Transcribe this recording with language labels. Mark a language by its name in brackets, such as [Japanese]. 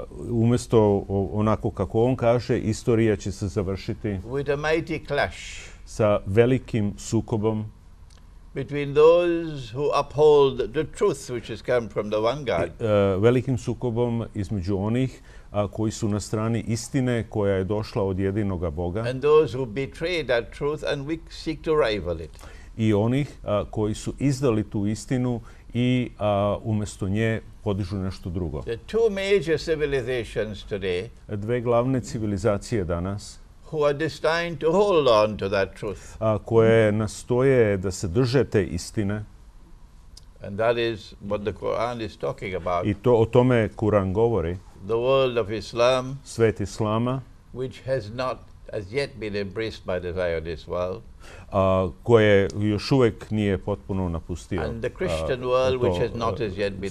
[Serbian] Umjesto onako kako on kaže, istorija će se završiti [English] with a mighty clash [Serbian] sa velikim sukobom [English] between those who uphold the truth which has come from the one God. [Serbian] Velikim sukobom između onih koji su na strani istine koja je došla od jedinoga Boga. [English] And those who betray that truth and we seek to rival it. [Serbian] I onih koji su izdali tu istinu i umjesto nje podižu nešto drugo. [English] The two major civilizations today. [Serbian] Dve glavne civilizacije danas. [English] Who are destined to hold on to that truth. [Serbian] Koje nastoje da se drže te istine. [English] And that is what the Quran is talking about. [Serbian] I to o tome Kur'an govori. [English] The world of Islam, [Serbian] svet Islama, [English] which has not as yet been embraced by the Zionist world, [Serbian] koje još uvijek nije potpuno napustio, [English] and the Christian world, which has not as yet been